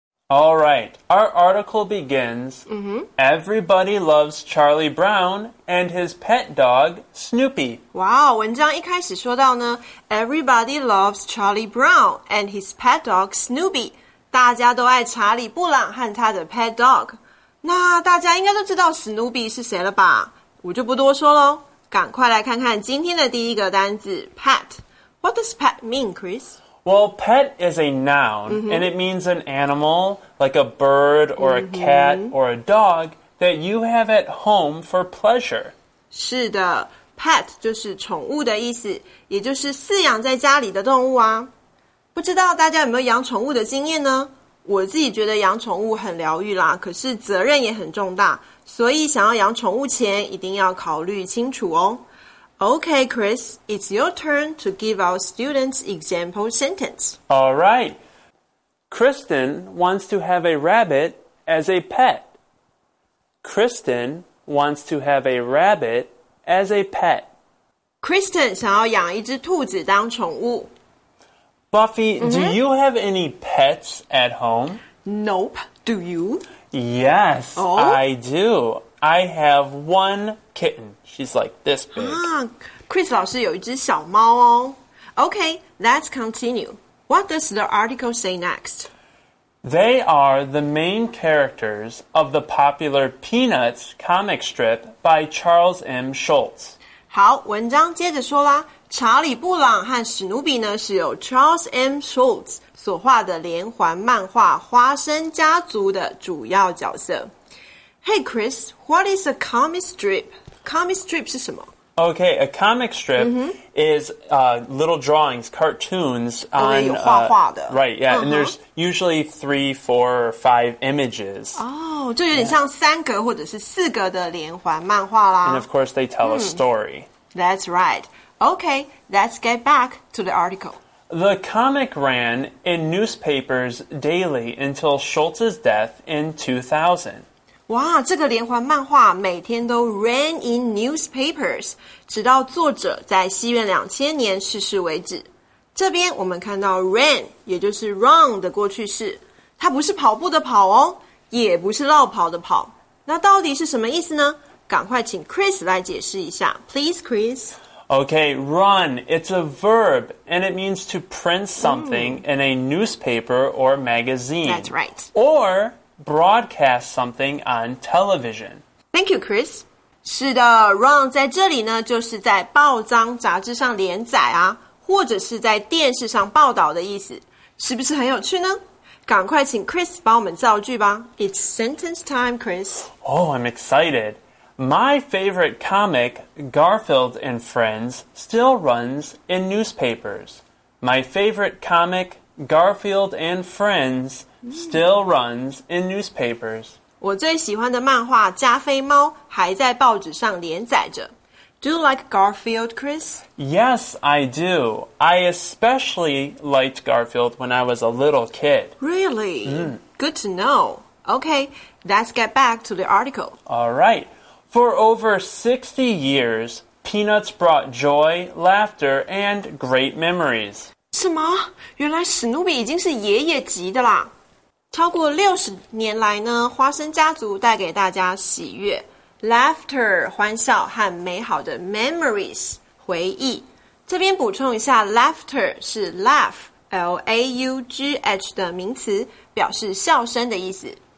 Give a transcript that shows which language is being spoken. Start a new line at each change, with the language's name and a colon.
English: All right, our article begins. Everybody loves Charlie Brown and his pet dog, Snoopy. Wow,
Chinese: 文章一开始说到呢
English: ,Everybody loves Charlie Brown and his pet dog, Snoopy.
Chinese: 大家都爱查理布朗和他的
English: pet dog.
Chinese: 那大家应该都知道 Snoopy 是谁了吧? 我就不多说咯。赶快来看看今天的第一个单字 ,pet.
English: What does pet mean, Chris? Well, pet is a noun,and it means an animal, like a bird or a cat or a dog, that you have at home for pleasure.
Chinese: 是的 ,pet 就是宠物的意思,也就是饲养在家里的动物啊。不知道大家有没有养宠物的经验呢?我自己觉得养宠物很疗愈啦,可是责任也很重大,所以想要养宠物前一定要考虑清楚哦。
English: Okay, Chris, it's your turn to give our students example sentence. All right. Kristen wants to have a rabbit as a pet. Kristen wants to have a rabbit as a pet.
Chinese: Kristen 想要养一只兔子当宠物。
English: Buffy, do you have any pets at home? Nope. Do you? Yes, I do. I have one kitten. She's like this big.
Chinese: Chris 老师有一只小猫哦。
English: Okay, let's continue. What does the article say next? They are the main characters of the popular Peanuts comic strip by Charles M. Schulz.
Chinese: 好,文章接着说啦。查理布朗和史努比呢是由 Charles M. Schulz 所画的连环漫画《花生家族》的主要角色。
English: Hey Chris, what is a comic strip? Comic strip
Chinese: 是什么？
English: Okay, a comic strip、mm-hmm. is、little drawings, cartoons.
Chinese: On, 有画画的。
English: Right, yeah,、uh-huh. and there's usually 3, 4, or 5 images.
Chinese: 哦，就有点像三格或者是四格的连环漫画啦。
English: And of course, they tell、mm. a story. That's right. Okay, let's get back to the article. The comic ran in newspapers daily until Schultz's death in 2000.
Chinese: 哇，这个连环漫画每天都
English: ran in newspapers，
Chinese: 直到作者在西元2000年逝世为止。这边我们看到 ran， 也就是 run 的过去式，它不是跑步的跑哦，也不是绕跑的跑。那到底是什么意思呢？赶快请 Chris 来解释一下 ，
English: Please Chris。 Okay, run, it's a verb, and it means to print something、mm. in a newspaper or magazine. That's right. Or... broadcast something on television. Thank you, Chris.
Chinese: 是的 ,run 在这里呢就是在报章杂志上连载啊或者是在电视上报道的意思。是不是很有趣呢赶快请 Chris 帮我们造句吧。
English: It's sentence time, Chris. Oh, I'm excited. My favorite comic, Garfield and Friends, still runs in newspapers. My favorite comic, Garfield and Friends,Still runs in newspapers.
Chinese: 我最喜欢的漫画《加菲猫》还在报纸上连载着。
English: Do you like Garfield, Chris? Yes, I do. I especially liked Garfield when I was a little kid. Really?、Mm. Good to know. Okay, let's get back to the article. All right. For over 60 years, Peanuts brought joy, laughter, and great memories.
Chinese: 什么？原来史努比已经是爷爷级的啦。超过60年来呢，花生家族带给大家喜悦 ,laughter, 欢笑和美好的 memories, 回忆。这边补充一下 ,laughter 是 laugh, L-A-U-G-H 的名词，表示笑声的意思。